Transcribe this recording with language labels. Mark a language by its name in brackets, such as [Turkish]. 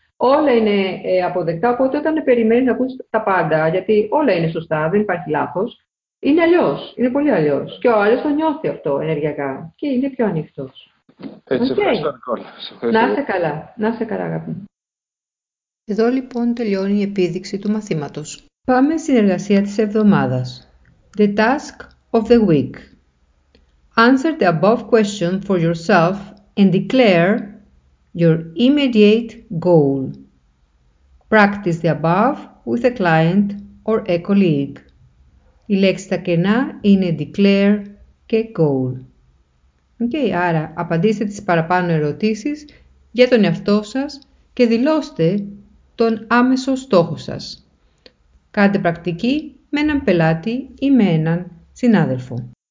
[Greek] Όλα είναι αποδεκτά, οπότε όταν περιμένεις να ακούσεις τα πάντα, γιατί όλα είναι σωστά, δεν υπάρχει λάθος, είναι αλλιώς, είναι πολύ αλλιώς. Και ο άλλος το νιώθει αυτό ενεργειακά και είναι πιο ανοιχτός. Έτσι, ευχαριστώ, [English] Okay. [Greek] Νικόλα. Σε Να είσαι ευχαριστώ. καλά. Να είσαι καλά, αγαπητοί. Εδώ λοιπόν τελειώνει η επίδειξη του μαθήματος. Πάμε στην εργασία της εβδομάδας. [English] The task of the week. Answer the above question for yourself and declare your immediate goal. Practice the above with a client or a colleague. [Greek] Οι λέξεις τα κενά είναι declare και goal. Okay, άρα απαντήστε τις παραπάνω ερωτήσεις για τον εαυτό σας και δηλώστε τον άμεσο στόχο σας. Κάντε πρακτική με έναν πελάτη ή με έναν συνάδελφο.